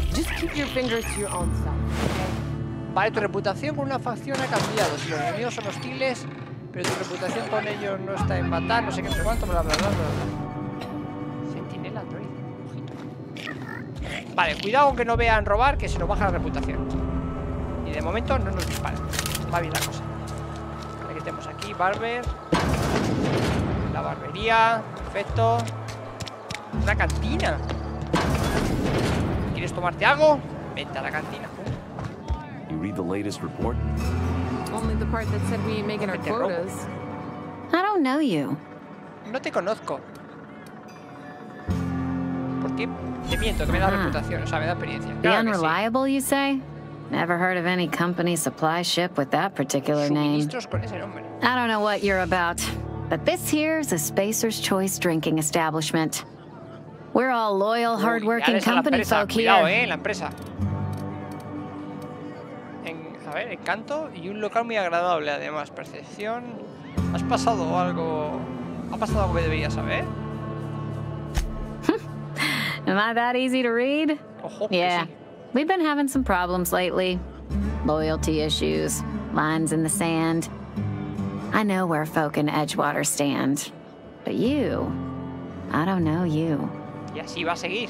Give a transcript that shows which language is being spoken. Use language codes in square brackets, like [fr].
[en] Just keep your fingers to your own side. [es] Vale, tu reputación con una facción ha cambiado. Si los enemigos son hostiles, pero tu reputación con ellos no está en matar, no sé qué, no sé cuánto, bla, bla, bla, bla. Sentinela, droide. Ojito. Vale, cuidado que no vean robar, que se nos baja la reputación. Y de momento no nos disparan. Va bien la cosa. Vale, que tenemos aquí, barber. La barbería. Perfecto. Una cantina. ¿Quieres tomarte algo? Vente a la cantina. [en] You read the latest report? Only the part that said we ain't making our quotas. I don't know you. [es] No te conozco. ¿Por qué? Te miento, que me da reputación, o sea, me da experiencia. [en] The unreliable, you say? Never heard of any company supply ship with that particular name. I don't know what you're about, but this here's a Spacer's Choice drinking establishment. We're all loyal, hardworking company folk here. [es] Cuidado, la empresa. A ver, encanto y un local muy agradable, además. Percepción. ¿Has pasado algo? ¿Ha pasado algo que debería saber? [en] Am I that easy to read? [es] Ojo, [en] yeah. [es] Sí. [en] We've been having some problems lately. Loyalty issues, lines in the sand. I know where folk in Edgewater stand, but you, I don't know you. [es] Y así va a seguir.